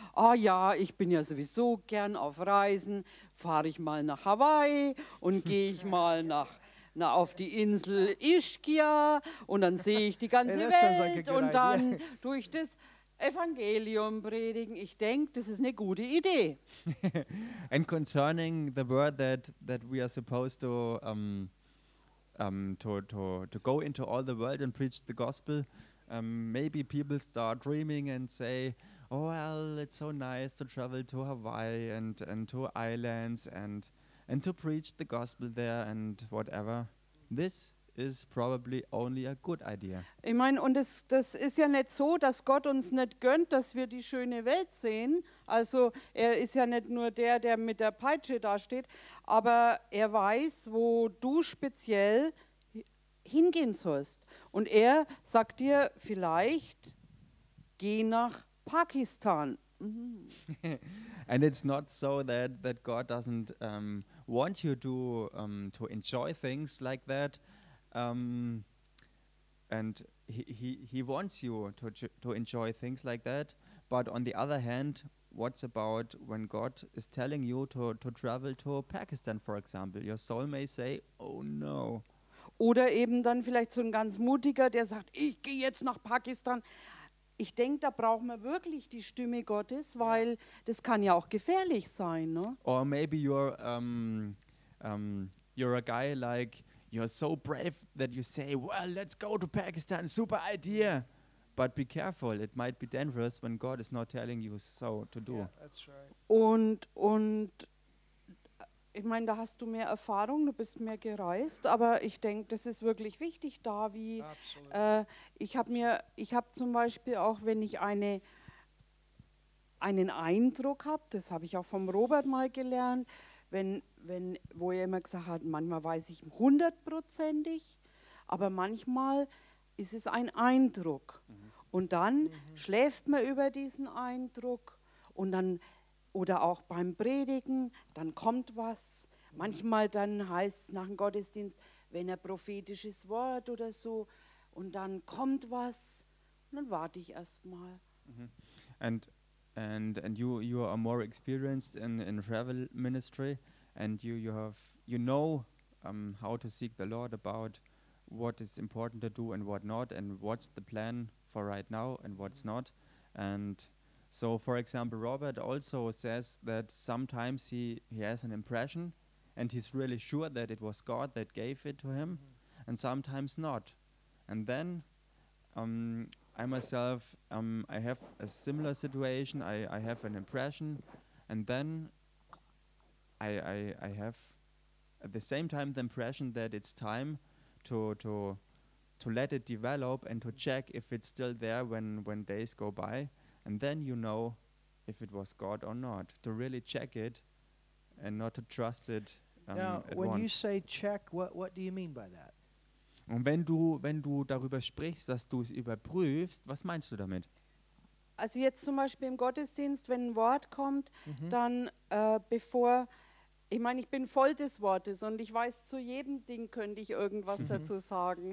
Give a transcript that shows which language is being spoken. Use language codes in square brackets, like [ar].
[de] Ah ja, ich bin ja sowieso gern auf Reisen, fahre ich mal nach Hawaii und gehe ich mal nach auf die Insel Ischia und dann sehe ich die ganze Welt und dann tue ich das Evangelium predigen. Ich denke, das ist eine gute Idee. [en] And concerning the word that we are supposed to go into all the world and preach the gospel, maybe people start dreaming and say, oh well, it's so nice to travel to Hawaii and to islands and to preach the gospel there and whatever. This is probably only a good idea. [de] Ich meine, und das ist ja nicht so, dass Gott uns nicht gönnt, dass wir die schöne Welt sehen. Also er ist ja nicht nur der mit der Peitsche dasteht, aber er weiß, wo du speziell hingehen sollst. Und er sagt dir vielleicht, geh nach Pakistan. [en] And it's not so that God doesn't want you to enjoy things like that, and he wants you to enjoy things like that. But on the other hand, what's about when God is telling you to travel to Pakistan, for example? Your soul may say, oh no. [de] Oder eben dann vielleicht so ein ganz Mutiger, der sagt, ich gehe jetzt nach Pakistan. Ich denke, da braucht man wirklich die Stimme Gottes, weil das kann ja auch gefährlich sein, ne? [en] Or maybe you're a guy like, you're so brave that you say, well, let's go to Pakistan, super idea. But be careful, it might be dangerous when God is not telling you so to do. Yeah, that's right. [de] Und ich meine, da hast du mehr Erfahrung, du bist mehr gereist, aber ich denke, das ist wirklich wichtig da, wie ich habe zum Beispiel auch, wenn ich einen Eindruck habe, das habe ich auch vom Robert mal gelernt, wenn wo er immer gesagt hat, manchmal weiß ich hundertprozentig, aber manchmal ist es ein Eindruck. Und dann schläft man über diesen Eindruck und dann, oder auch beim Predigen, dann kommt was. Manchmal dann heißt es nach dem Gottesdienst, wenn ein prophetisches Wort oder so, und dann kommt was, und dann warte ich erst mal. [en] And you are more experienced in travel ministry, and you know how to seek the Lord about what is important to do and what not, and what's the plan for right now and what's not. And so, for example, Robert also says that sometimes he has an impression and he's really sure that it was God that gave it to him, and sometimes not. And then I myself, I have a similar situation. I have an impression, and then I have at the same time the impression that it's time to let it develop and to check if it's still there when days go by. And then you know if it was God or not, to really check it and not to trust it at once. Now, when you say check, what do you mean by that? [de] Und wenn du darüber sprichst, dass du es überprüfst, was meinst du damit? Also jetzt zum Beispiel im Gottesdienst, wenn ein Wort kommt, dann bevor, ich meine, ich bin voll des Wortes und ich weiß, zu jedem Ding könnte ich irgendwas dazu sagen.